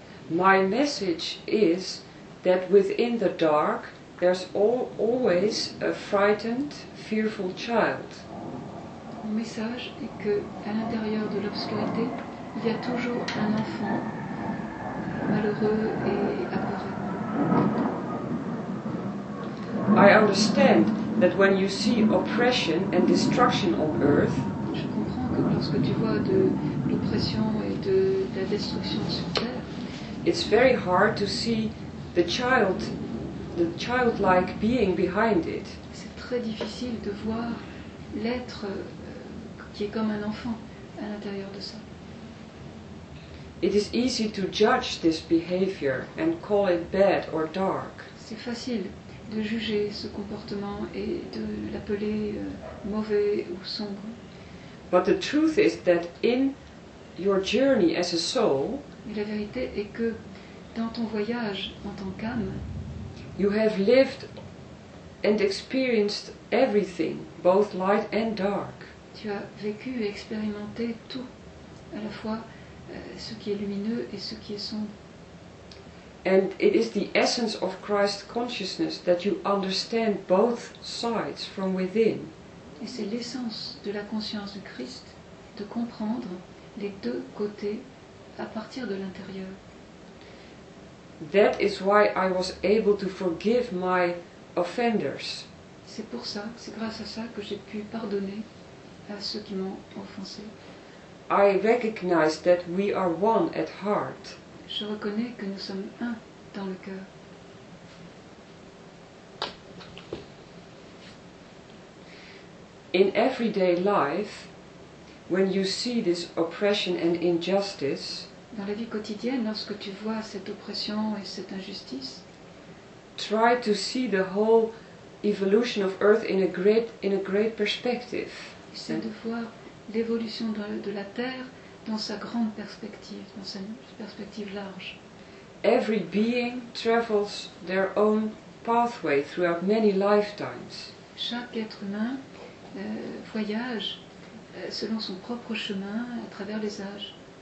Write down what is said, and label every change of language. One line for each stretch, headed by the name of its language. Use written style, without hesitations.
English: My message is that within the dark there's always a frightened, fearful child.
French: Mon message est que à l'intérieur de l'obscurité, il y a toujours un enfant malheureux et apeuré.
English: I understand that when you see oppression and destruction on earth,
French: je comprends que lorsque tu vois de l'oppression et de la destruction sur terre,
English: it's very hard to see the childlike being behind it.
French: C'est très difficile de voir l'être qui est comme un enfant à l'intérieur de ça.
English: It is easy to judge this behavior and call it bad or dark.
French: C'est facile de juger ce comportement et de l'appeler mauvais ou sombre.
English: But the truth is that in your journey as a soul,
French: mais la vérité est que dans ton voyage en tant qu'âme,
English: you have lived and experienced everything, both light and dark.
French: Tu as vécu et expérimenté tout, à la fois ce qui est lumineux et ce qui est sombre.
English: And it is the essence of Christ consciousness that you understand both sides from within.
French: Et c'est l'essence de la conscience de Christ de comprendre les deux côtés à partir de l'intérieur.
English: That is why I was able to forgive my offenders.
French: C'est pour ça, c'est grâce à ça que j'ai pu pardonner à ceux qui m'ont offensé.
English: I recognize that we are one at heart.
French: Je reconnais que nous sommes un dans le cœur.
English: In everyday life, when you see this oppression and injustice,
French: dans la vie quotidienne, lorsque tu vois cette oppression et cette injustice,
English: try to see the whole evolution of Earth in a great perspective.
French: Essaie de voir l'évolution de la Terre dans sa grande perspective, dans sa perspective large.
English: Every being travels their own pathway throughout many lifetimes.
French: Chaque être humain voyage selon son propre chemin à travers les âges.